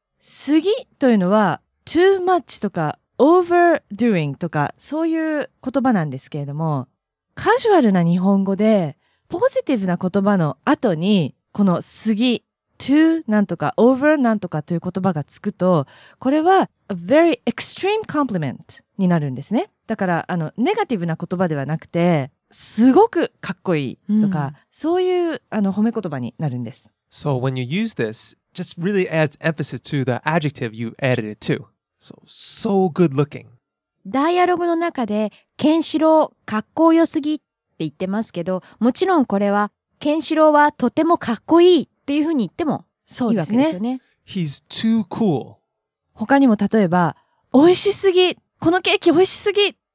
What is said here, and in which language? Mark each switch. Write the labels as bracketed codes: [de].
[ja] すぎというのは、 [en] too much [ja] とか、 [en] overdoing [ja] とか、そういう言葉なんですけれども、カジュアルな日本語で、ポジティブな言葉の後に、このすぎ、too なんとか、over なんとかという言葉がつくと、これは、 [en] a very extreme compliment [ja] になるんですね。だから、ネガティブな言葉ではなくて、すごくかっこいいとか、そういう、褒め言葉になるんです。 [en] So when you use this, just really adds emphasis to the adjective you added it to. So, so good looking. [ja] ダイアログの中で、ケンシロウ、かっこよすぎって言ってますけど、もちろんこれは、ケンシロウはとてもかっこいいっていうふうに言ってもいいわけですよね。 [en] He's too cool. [ja] 他にも例えば、美味しすぎ、このケーキ美味しすぎ。